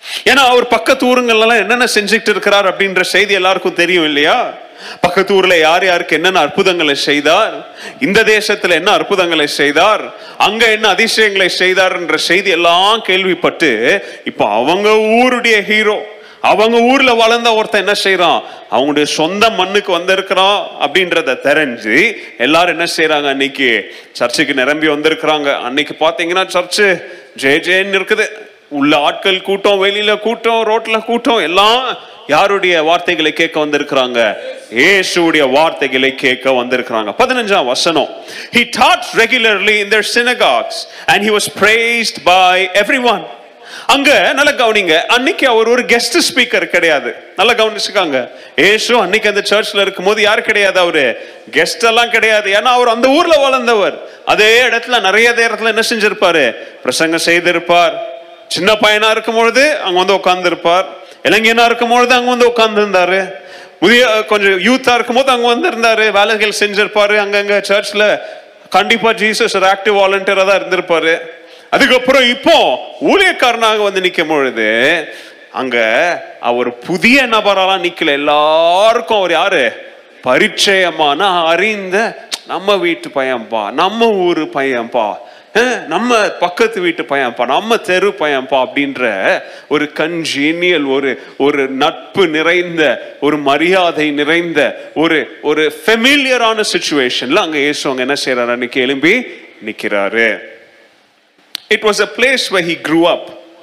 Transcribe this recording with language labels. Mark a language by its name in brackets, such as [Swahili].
[Tamil] ஏன்னா அவர் பக்கத்து ஊருங்கள்ல என்னென்ன செஞ்சுட்டு இருக்கிறார் அப்படின்ற செய்தி எல்லாருக்கும் தெரியும் இல்லையா, பக்கத்து ஊர்ல யார் யாருக்கு என்னென்ன அற்புதங்களை செய்தார், இந்த தேசத்துல என்ன அற்புதங்களை செய்தார், அங்க என்ன அதிசயங்களை செய்தார்ன்ற செய்தி எல்லாம் கேள்விப்பட்டு இப்ப அவங்க ஊருடைய ஹீரோ, அவங்க ஊர்ல வளர்ந்த ஒருத்தன் என்ன செய்யறான், அவங்களுடைய சொந்த மண்ணுக்கு வந்திருக்கிறான் அப்படின்றத தெரிஞ்சு எல்லாரும் என்ன செய்யறாங்க, அன்னைக்கு சர்ச்சுக்கு நிரம்பி வந்திருக்கிறாங்க. அன்னைக்கு பாத்தீங்கன்னா சர்ச்சு ஜே ஜேன்னு இருக்குது, உள்ள ஆட்கள் கூட்டம், வெளியில கூட்டம், ரோட்ல கூட்டம், எல்லாம் யாருடைய வார்த்தைகளை கேட்க வந்திருக்கிறாங்க, இயேசுவுடைய வார்த்தைகளை கேட்க வந்திருக்கிறாங்க. 15வது வசனம் [English] He taught regularly in their synagogues and he was praised by everyone. [Tamil] அங்க நல்ல கவனிங்க, அன்னைக்கு அவர் ஒரு கெஸ்ட் ஸ்பீக்கர் கிடையாது, நல்ல கவனிச்சுக்காங்க. இயேசு அன்னைக்கு அந்த சர்ச்ல இருக்கும்போது யாரு கிடையாது, அவரு கெஸ்ட் எல்லாம் கிடையாது. ஏன்னா அவர் அந்த ஊர்ல வளர்ந்தவர், அதே இடத்துல நிறைய நேரத்துல என்ன செஞ்சிருப்பாரு, பிரசங்கம் செய்திருப்பார். சின்ன பையனா இருக்கும் பொழுது அங்க வந்து உட்கார்ந்து இருப்பார், இளைஞனா இருக்கும் பொழுது அங்க வந்து உட்கார்ந்து இருந்தாரு, முதிய கொஞ்சம் யூத்தா இருக்கும் போது அங்க வந்திருந்தாரு, வேலைகள் செஞ்சிருப்பாரு அங்கங்க சர்ச்ல. கண்டிப்பா ஜீசஸ் ஒரு ஆக்டிவ் வாலண்டியரா தான் இருந்திருப்பாரு. அதுக்கப்புறம் இப்போ ஊழியக்காரனாக வந்து நிற்கும் பொழுது அங்க அவர் புதிய நபரெல்லாம் நிக்கல, எல்லாருக்கும் அவர் யாரு, பரிச்சயமான அறிந்த நம்ம வீட்டு பையன்பா, நம்ம ஊரு பையன்பா, நம்ம பக்கத்து வீட்டு பையன்பா, நம்ம தெரு பையன்பா அப்படின்ற ஒரு கன்ஜீனியல், ஒரு ஒரு நட்பு நிறைந்த, ஒரு மரியாதை நிறைந்த, ஒரு ஒரு ஃபெமிலியரான சிச்சுவேஷன்ல அங்க இயேசுவங்க என்ன செய்யறாருன்னு எழும்பி நிக்கிறாரு. [English] It was a place where he grew up.